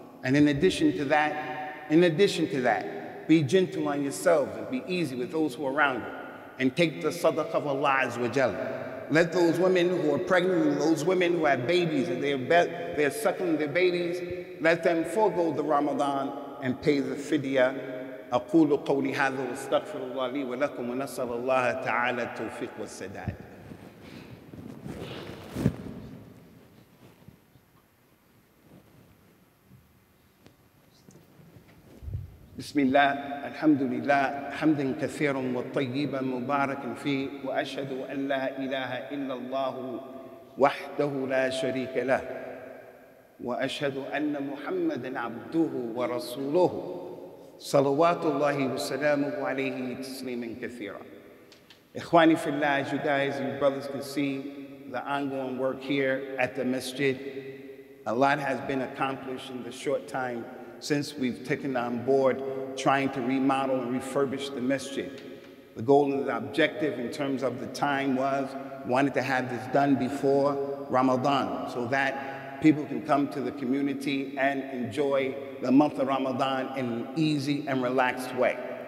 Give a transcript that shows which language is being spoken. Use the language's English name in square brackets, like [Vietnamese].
[English] And in addition to that, be gentle on yourselves and be easy with those who are around you. And take the sadaqah of Allah azza wa jalla. Let those women who are pregnant, those women who have babies and they're suckling their babies, let them forego the Ramadan and pay the fidya. [Arabic] أقول قولي هذا واستغفر الله لي ولكم ونسأل الله تعالى التوفيق والسداد. بسم الله الحمد لله حمدا كثيرا وطيبا مباركا فيه وأشهد أن لا إله إلا الله وحده لا شريك له وأشهد أن محمدا عبده ورسوله صلوات الله وسلامه عليه تسليما كثيرا. [English] إخواني في الله, as you guys and brothers can see the ongoing work here at the masjid, a lot has been accomplished in the short time since we've taken on board trying to remodel and refurbish the masjid. The goal and the objective in terms of the time was wanted to have this done before Ramadan so that people can come to the community and enjoy the month of Ramadan in an easy and relaxed way.